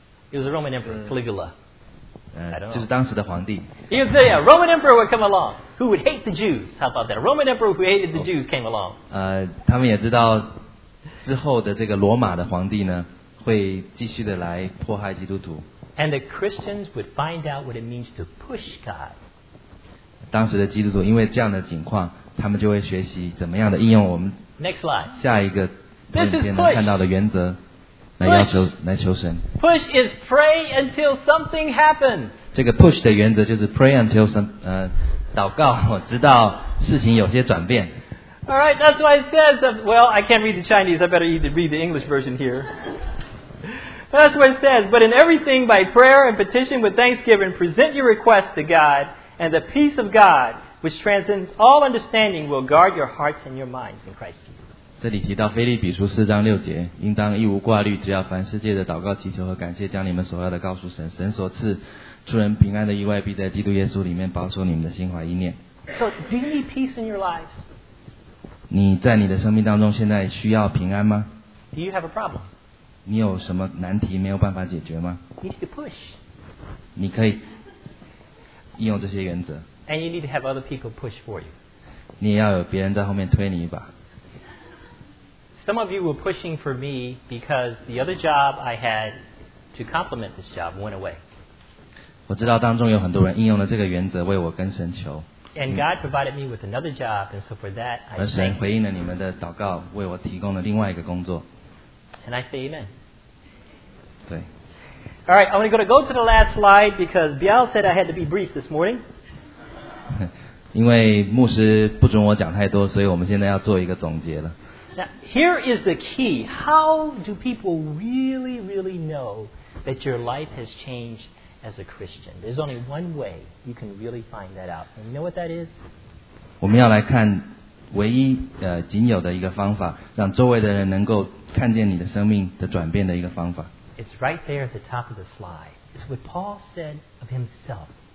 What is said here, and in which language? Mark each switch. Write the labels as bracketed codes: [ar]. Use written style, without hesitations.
[en] He was a Roman emperor, Caligula. I don't know. You can say, yeah, Roman emperor would come along who would hate the Jews. How about that? A Roman emperor who hated the Jews came along. [zh] 他们也知道之后的这个罗马的皇帝呢会继续的来迫害基督徒。 [en] And the Christians would find out what it means to push God. [zh] 当时的基督徒因为这样的情况他们就会学习怎么样的应用我们 [en] Next slide. [zh] 下一个看到的原则。 [en] Push. Push is pray until something happens. [zh] 这个 push 的原则就是 [en] pray until some [zh] 祷告直到事情有些转变。 [en] All right, that's why it says. Well, I can't read the Chinese. I better read the English version here. That's what it says. But in everything, by prayer and petition with thanksgiving, present your requests to God, and the peace of God, which transcends all understanding, will guard your hearts and your minds in Christ Jesus. [zh] 这里提到腓立比书四章六节，应当一无挂虑，只要凡事借着祷告、祈求和感谢，将你们所要的告诉神。神所赐出人平安的意外，必在基督耶稣里面保守你们的心怀意念。 [en] So, do you need peace in your lives? [zh] 你在你的生命当中现在需要平安吗 [en] ？Do you have a problem? [zh] 你有什么难题没有办法解决吗 [en] ？You need to push. [zh] 你可以应用这些原则。 [en] And you need to have other people push for you. [zh] 你也要有别人在后面推你一把。 [en] Some of you were pushing for me because the other job I had to complement this job went away. [zh] 我知道当中有很多人应用了这个原则为我跟神求。 [en] And God provided me with another job, and so for that, I thank. [zh] 而神回应了你们的祷告，为我提供了另外一个工作。 [en] And I say amen. [zh] 对。 [en] All right, I'm going to go to the last slide because Bial said I had to be brief this morning. [zh] 因为牧师不准我讲太多，所以我们现在要做一个总结了。 [en] Now, here is the key. How do people really, really know that your life has changed as a Christian? There's only one way you can really find that out. And you know what that is? [zh] 我们要来看唯一仅有的一个方法，让周围的人能够看见你的生命的转变的一个方法。 [en] It's right there at the top of the slide. It's what Paul said of himself.